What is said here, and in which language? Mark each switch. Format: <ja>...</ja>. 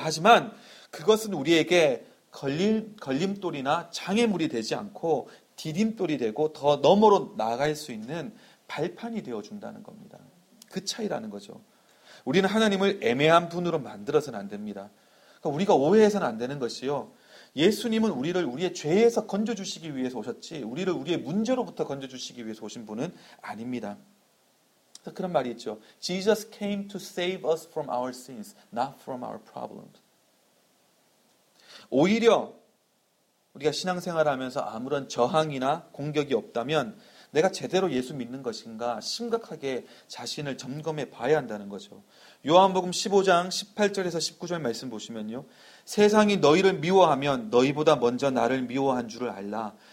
<ko>하지만 그것은 우리에게 걸림돌이나 장애물이 되지 않고 디딤돌이 되고 더 너머로 나아갈 수 있는 발판이 되어준다는 겁니다. 그 차이라는 거죠. 우리는 하나님을 애매한 분으로 만들어서는 안 됩니다. 그러니까 우리가 오해해서는 안 되는 것이요. 예수님은 우리를 우리의 죄에서 건져주시기 위해서 오셨지 우리를 우리의 문제로부터 건져주시기 위해서 오신 분은 아닙니다. 그래서 그런 말이 있죠.</ko> <en>Jesus came to save us from our sins, not from our problems.</en> <ko>오히려 우리가 신앙생활을 하면서 아무런 저항이나 공격이 없다면 내가 제대로 예수 믿는 것인가 심각하게 자신을 점검해 봐야 한다는 거죠. 요한복음 15장 18절에서 19절 말씀 보시면요. 세상이 너희를 미워하면 너희보다 먼저 나를 미워한 줄을 알라.</ko>